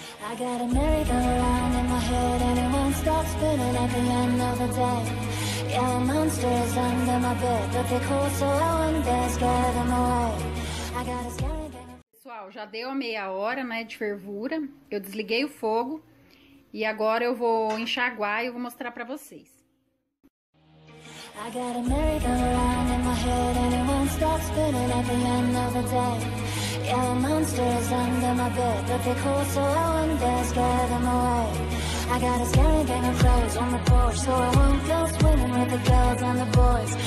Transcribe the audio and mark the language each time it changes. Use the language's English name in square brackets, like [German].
[English] I got a merry-go-round in my head and it won't stop spinning at the end of the day. Yeah, monsters under my bed, but they're cool, so I won't dare scare them away. I got a scary game. [Portuguese] Pessoal, já deu a meia hora, né, de fervura. Eu desliguei o fogo e agora eu vou enxaguar e eu vou mostrar pra vocês. [English] I got a merry-go-round in my head and it won't stop spinning at the end of the day. Yeah, monsters under my bed, but they're cool, so I won't dare scare them away. I got a scary gang of clothes on the porch, so I won't go swimming with the girls and the boys.